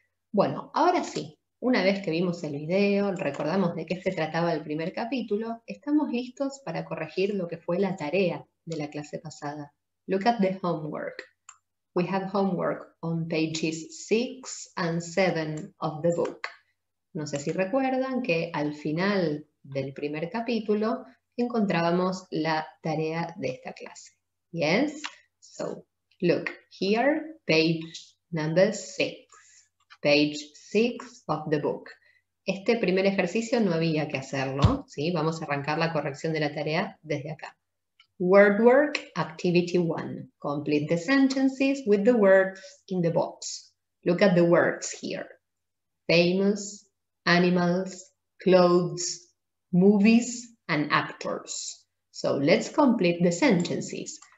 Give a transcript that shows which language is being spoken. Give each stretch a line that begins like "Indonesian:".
Spanish: Bueno, ahora sí, una vez que vimos el video, recordamos de qué se trataba el primer capítulo, estamos listos para corregir lo que fue la tarea de la clase pasada.
English: Look at the homework. We have homework on pages 6 and 7 of the book.
Spanish: No sé si recuerdan que al final del primer capítulo encontrábamos la tarea de esta clase.
English: Yes? So, look here, page number 6. Page 6 of the book.
Spanish: Este primer ejercicio no había que hacerlo, ¿sí? Vamos a arrancar la corrección de la tarea desde acá.
English: Word work, activity 1. Complete the sentences with the words in the box. Look at the words here. Famous, animals, clothes, movies, and actors. So let's complete the sentences.